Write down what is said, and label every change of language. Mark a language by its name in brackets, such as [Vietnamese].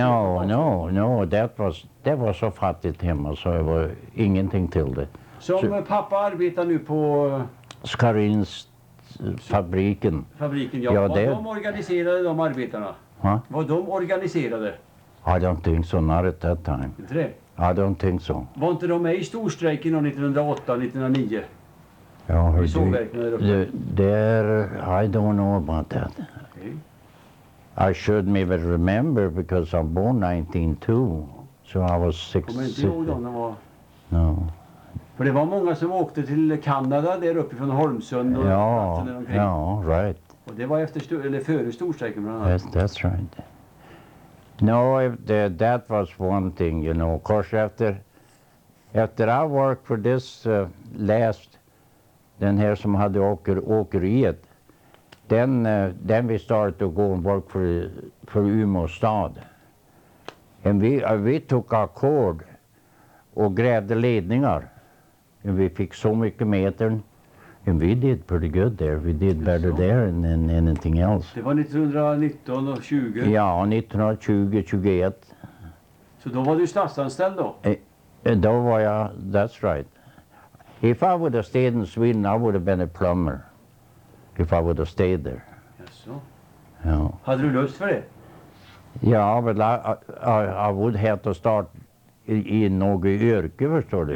[English] No, that was so [Swedish] fattigt hemma, [English] so it was [Swedish] ingenting till det. [English] So my pappa [Swedish] arbetar nu på Skarins fabriken. Fabriken, ja. Och de organiserade de arbetarna. Huh? Var de organiserade? [English] I don't think so, not at that time. [Swedish] Inte det? [English] I don't think so. [Swedish] Var inte de med i storstrejken 1908-1909? Ja, hur du? [English] I don't know about that. Okay. I should maybe remember, because I'm born 1902. So I was 6. [Swedish] Kommer inte ihåg då, när var? [English] No. [Swedish] För det var många som åkte till Kanada där uppe från Holmsund. Ja, ja, right. Och det var efter eller före storstrejken bland annat. [English] That's right. No, that was one thing, you know. Of course, after I worked for this last, [Swedish] den här som hade åkeriet, [English] then we started to go and work for Umeå stad. And we took our cord [Swedish] och grävde ledningar. [English] And we [Swedish] fick så mycket metern. [English] And we did pretty good there. We did better there than anything else. [Swedish] Det var 1919 och 20. Ja, 1920-21. Så då var du statsanställd då? Då var jag, [English] that's right. If I would have stayed in Sweden, I would have been a plumber. If I would have stayed there. [Swedish] Ja. [English] Yeah. [Swedish] Hade du lust för det? [English] Ja, but I would have to start [Swedish] i något yrke, förstår du?